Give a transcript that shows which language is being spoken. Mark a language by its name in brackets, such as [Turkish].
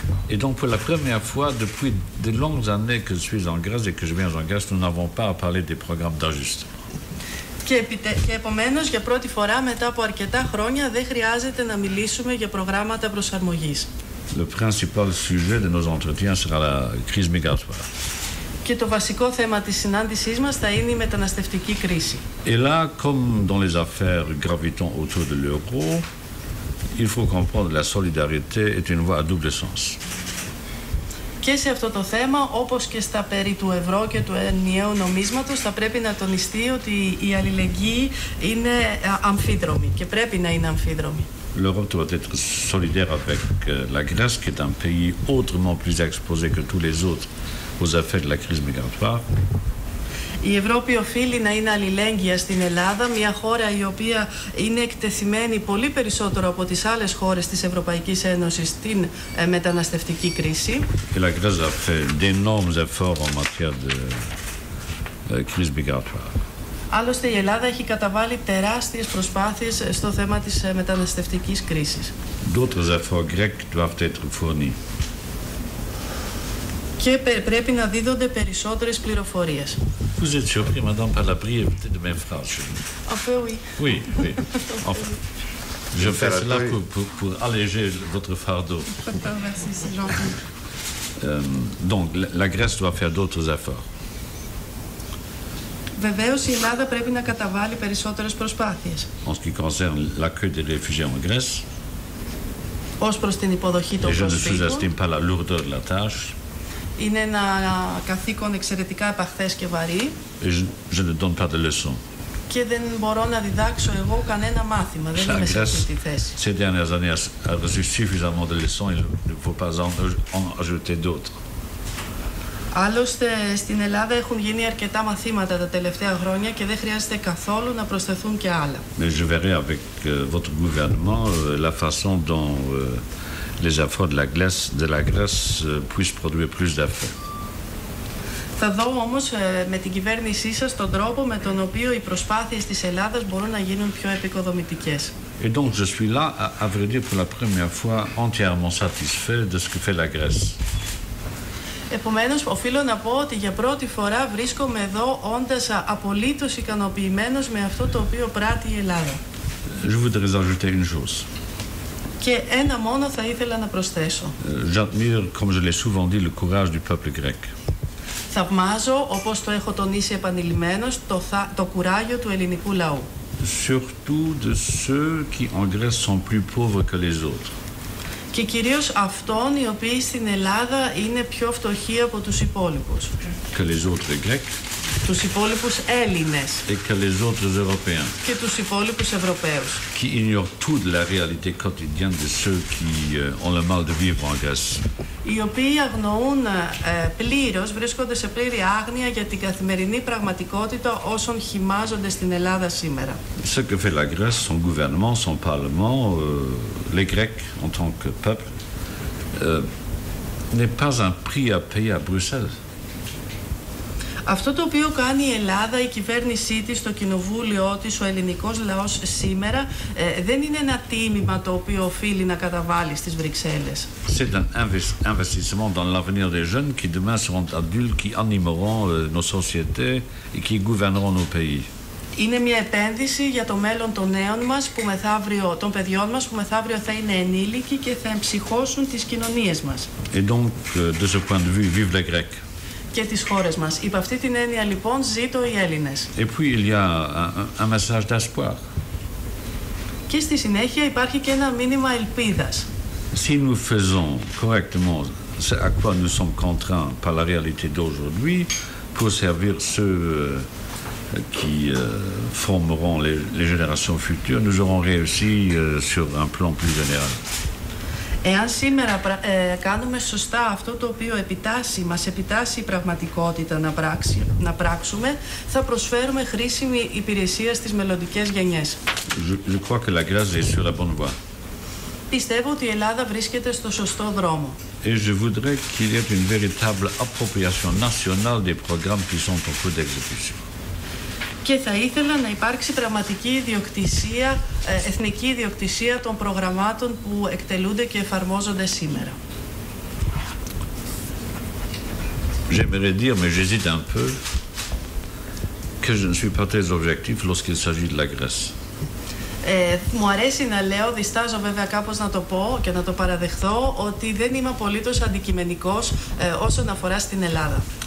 [French] Et donc pour la première fois depuis de longues années que je suis en Grèce et que je viens en Grèce, nous n'avons pas à parler des programmes d'ajustement. [Greek] Και επομένως, για πρώτη φορά μετά από αρκετά χρόνια, δεν χρειάζεται να μιλήσουμε για προγράμματα προσαρμογής. [French] Le principal sujet de nos entretiens sera la crise migratoire. [Greek] Και το βασικό θέμα της συνάντησής μας θα είναι η μεταναστευτική κρίση. [French] Et là, comme dans les affaires gravitant autour de l'euro, il faut comprendre la solidarité est une voie à double sens. [Greek] Και σε αυτό το θέμα, όπως και στα περί του ευρώ και του ενιαίου νομίσματος, θα πρέπει να τονιστεί ότι η αλληλεγγύη είναι αμφίδρομη και πρέπει να είναι αμφίδρομη. [French] L'Europe doit être solidaire avec la Grèce, qui est un pays autrement plus exposé que tous les autres aux effets de la crise migratoire. [Greek] Η Ευρώπη οφείλει να είναι αλληλέγγυα στην Ελλάδα, μια χώρα η οποία είναι εκτεθειμένη πολύ περισσότερο από τις άλλες χώρες της Ευρωπαϊκής Ένωσης στην μεταναστευτική κρίση. [French] Et la Grèce a fait d'énormes efforts en matière de crise migratoire. [Greek] Άλλωστε, η Ελλάδα έχει καταβάλει τεράστιες προσπάθειες στο θέμα της μεταναστευτικής κρίσης. [French] D'autres efforts grecs doivent être fournis. [Greek] Και πρέπει να δίδονται περισσότερες πληροφορίες. [French] Vous êtes surpris, madame, par la brièveté de mes phrases. Enfin, oui. Oui, oui. Enfin, je fais cela pour alléger votre fardeau. Merci, c'est gentil. Donc, la Grèce doit faire d'autres efforts. [Greek] Βεβαίως, η Ελλάδα πρέπει να καταβάλει περισσότερες προσπάθειες. [French] En ce qui concerne l'accueil des réfugiés en Grèce. [Greek] Ως προς την υποδοχή των προσφύγων. [French] Je ne sous-estime pas la lourdeur de la tâche. [Greek] Είναι ένα καθήκον εξαιρετικά επαχθές και βαρύ. [French] Je ne donne pas de leçons. [Greek] Και δεν μπορώ να διδάξω εγώ κανένα μάθημα. Δεν είμαι σε αυτή τη θέση. [French] Ces dernières années, a reçu suffisamment de leçons, il ne faut pas en ajouter d'autres. [Greek] Άλλωστε, στην Ελλάδα έχουν γίνει αρκετά μαθήματα τα τελευταία χρόνια και δεν χρειάζεται καθόλου να προσθεθούν και άλλα. [French] Mais je verrai avec votre gouvernement la façon dont les efforts de la Grèce puissent produire plus d'efforts. [Greek] Θα δω όμως με την κυβέρνησή σας τον τρόπο με τον οποίο οι προσπάθειες της Ελλάδας μπορούν να γίνουν πιο επικοδομητικές. [French] Et donc je suis là, à vrai dire, pour la première fois entièrement satisfait de ce que fait la Grèce. [Greek] Επομένως, οφείλω να πω ότι για πρώτη φορά βρίσκομαι εδώ όντας απολύτως ικανοποιημένος με αυτό το οποίο πράττει η Ελλάδα. [French] Je voudrais ajouter une chose. [Greek] Και ένα μόνο θα ήθελα να προσθέσω. [French] J'admire, comme je l'ai souvent dit, le courage du peuple grec. [Greek] Θαυμάζω, όπως το έχω τονίσει επανειλημμένως, το κουράγιο του ελληνικού λαού. [French] Surtout de ceux qui en Grèce sont plus pauvres que les autres. [Greek] Και κυρίως αυτών οι οποίοι στην Ελλάδα είναι πιο φτωχοί από τους υπόλοιπους. [French] Que les autres Grecs. [Greek] Τους υπόλοιπους Έλληνες. [French] Et que les autres Européens. [Greek] Και τους υπόλοιπους Ευρωπαίους. [French] Qui ignorent toute la réalité quotidienne de ceux qui ont le mal de vivre en Grèce. [Greek] Οι οποίοι αγνοούν πλήρως, βρίσκονται σε πλήρη άγνοια για την καθημερινή πραγματικότητα όσων χυμάζονται στην Ελλάδα σήμερα. [French] Ce que fait la Grèce, son gouvernement, son parlement, les Grecs en tant que peuple, n'est pas un prix à payer à Bruxelles. [Greek] Αυτό το οποίο κάνει η Ελλάδα, η κυβέρνησή της, το κοινοβούλιο της, ο ελληνικός λαός σήμερα, δεν είναι ένα τίμημα το οποίο οφείλει να καταβάλει στις Βρυξέλλες. [French] C'est un investissement dans l'avenir des jeunes qui demain seront adultes, qui animeront nos sociétés et qui gouverneront nos pays. [Greek] Είναι μια επένδυση για το μέλλον των νέων μας, που μεθαύριο, των παιδιών μας που μεθαύριο θα είναι ενήλικοι και θα εμψυχώσουν τις κοινωνίες μας. [French] Et donc, de ce point de vue, vive les Grecs. [Greek] Και τις χώρες μας. Υπ' αυτή την έννοια λοιπόν ζήτω οι Έλληνες. [French] Et puis il y a un message d'espoir. [Greek] Και στη συνέχεια υπάρχει και ένα μήνυμα ελπίδας. [French] Si nous faisons correctement ce à quoi nous sommes contraints par la réalité d'aujourd'hui pour servir ceux qui formeront les générations futures, nous aurons réussi sur un plan plus général. [Greek] Εάν σήμερα κάνουμε σωστά αυτό το οποίο μας επιτάσσει η πραγματικότητα να πράξουμε, θα προσφέρουμε χρήσιμη υπηρεσία στις μελλοντικές γενιές. [French] Je crois que la Grèce est sur la bonne voie. [Greek] Πιστεύω ότι η Ελλάδα βρίσκεται στο σωστό δρόμο. [French] Et je voudrais qu'il y ait une véritable appropriation nationale des programmes qui sont en cours d'exécution. [Greek] Και θα ήθελα να υπάρξει πραγματική ιδιοκτησία, εθνική ιδιοκτησία των προγραμμάτων που εκτελούνται και εφαρμόζονται σήμερα. [French] J'aimerais dire, mais j'hésite un peu, que je ne suis pas très objectif lorsqu'il s'agit de la Grèce. [Greek] Μου αρέσει να λέω, διστάζω βέβαια κάπως να το πω και να το παραδεχθώ, ότι δεν είμαι απολύτως αντικειμενικός όσον αφορά στην Ελλάδα.